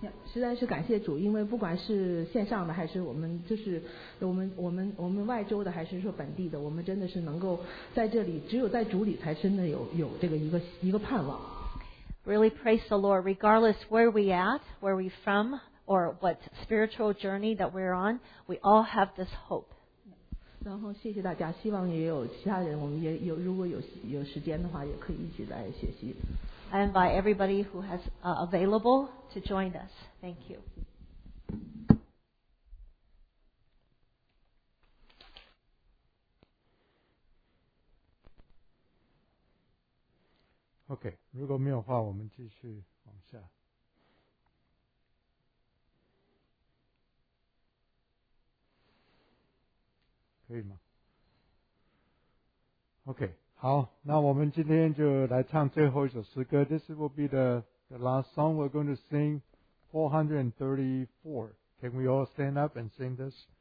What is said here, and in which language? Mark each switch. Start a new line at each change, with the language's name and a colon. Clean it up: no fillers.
Chinese: 实在是感谢主，因为不管是线上的还是我们就是我们外州的还是说本地的，我们真的是能够在这里，只有在主里才真的有这个一个盼望。
English: Really praise the Lord, regardless where we at, where we from, or what spiritual journey that we're on, we all have this hope.
Chinese: 然后谢谢大家，希望也有其他人，我们也有如果有时间的话，也可以一起来学习。
English: I invite everybody who has available to join us. Thank you.
Chinese: Okay, 如果没有话，我们继续往下。可以吗？
English: Okay.
Chinese: 好，那我们今天就来唱最后一首诗歌。
English: This will be the last song we're going to sing, 434. Can we all stand up and sing this?